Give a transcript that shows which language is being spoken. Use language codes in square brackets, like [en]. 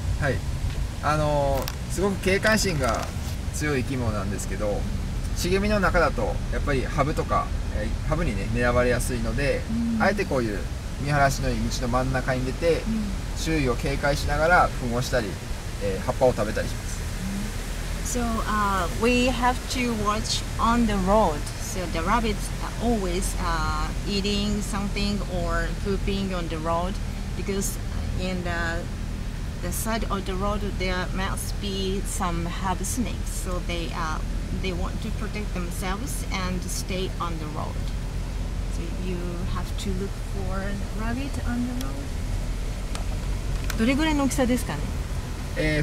[ja] はい、すごく警戒心が強い生き物なんですけど、茂みの中だとやっぱりハブとか、ハブにね狙われやすいので、あえてこういう見晴らしのいい道の真ん中に出て、周囲を警戒しながら糞をしたり、葉っぱを食べたりします。 [en] So, we have to watch on the road. So the rabbits are always eating something or pooping on the road because in the side of the road there must be some herb snakes. So they want to protect themselves and stay on the road. So you have to look for rabbit on the road. [ja] どれぐらいの大きさですかね？